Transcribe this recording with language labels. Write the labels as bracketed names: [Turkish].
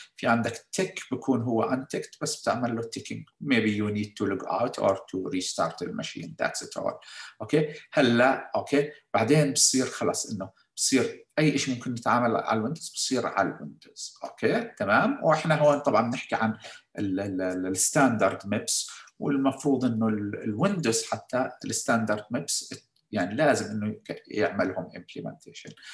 [Arabic] في عندك تيك بكون هو انتكت بس بتعمل له تيكينج. [English] Maybe you need to log out or to restart the machine. That's it all. Okay. هلا okay. [Arabic] بعدين بصير خلاص انه بصير اي شيء ممكن نتعامل على الويندوز بصير على الويندوز. Okay. تمام. واحنا هون طبعا بنحكي عن الستاندرد مابس والمفروض انه الويندوز حتى الستاندرد مابس يعني لازم انه يعملهم implementation.